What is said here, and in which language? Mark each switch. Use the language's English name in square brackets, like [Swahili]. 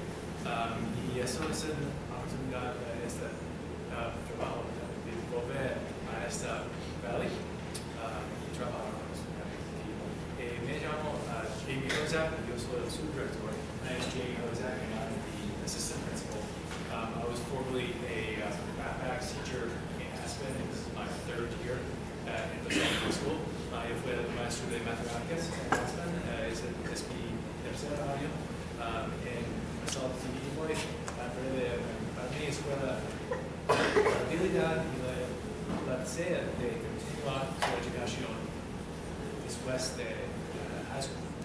[Spanish] Y eso es una oportunidad de este trabajo, de volver a esta valley y trabajar con los estudiantes. Me llamo Jamie Ozak, yo soy el subdirector. [English] My name is Jamie Ozak, and I'm the assistant principal. I was formerly a backpack teacher in Aspen. This is my third year in the Basalt High School. [Spanish] Yo fui el maestro de matemáticas en Aspen. Es mi tercer año en Basalt TV. Para mí es la habilidad y la placer de continuar su educación después de high school.